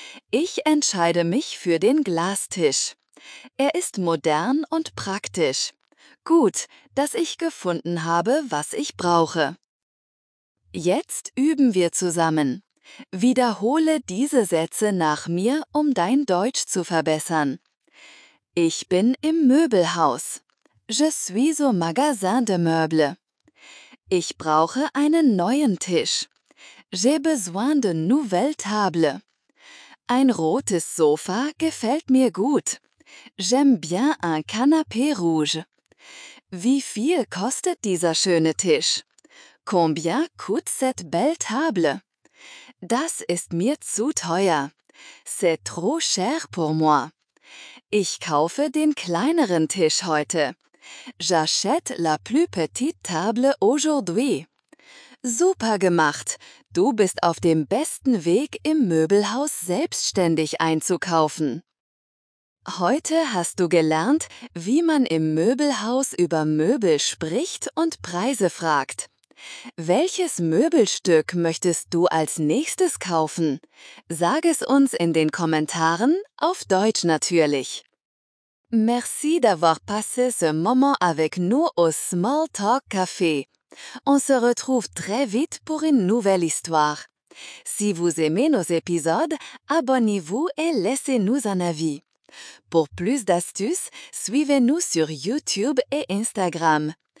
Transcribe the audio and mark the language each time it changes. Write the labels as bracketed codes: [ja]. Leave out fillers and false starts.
[de] Ich entscheide mich für den Glastisch. Er ist modern und praktisch. Gut, dass ich gefunden habe, was ich brauche. Jetzt üben wir zusammen. Wiederhole diese Sätze nach mir, um dein Deutsch zu verbessern. Ich bin im Möbelhaus. [fr] Je suis au magasin de meubles. [de] Ich brauche einen neuen Tisch. [fr] J'ai besoin de nouvelle table. [de] Ein rotes Sofa gefällt mir gut. [fr] J'aime bien un canapé rouge. [de] Wie viel kostet dieser schöne Tisch? [fr] Combien coûte cette belle table? [de] Das ist mir zu teuer. [fr] C'est trop cher pour moi. [de] Ich kaufe den kleineren Tisch heute. [fr] J'achète la plus petite table aujourd'hui. [de] Super gemacht! Du bist auf dem besten Weg, im Möbelhaus selbstständig einzukaufen. Heute hast du gelernt, wie man im Möbelhaus über Möbel spricht und Preise fragt. Welches Möbelstück möchtest du als nächstes kaufen? Sag es uns in den Kommentaren, auf Deutsch natürlich. [fr] Merci d'avoir passé ce moment avec nous au Small Talk Café. On se retrouve très vite pour une nouvelle histoire. Si vous aimez nos épisodes, abonnez-vous et laissez-nous un avis. Pour plus d'astuces, suivez-nous sur YouTube et Instagram.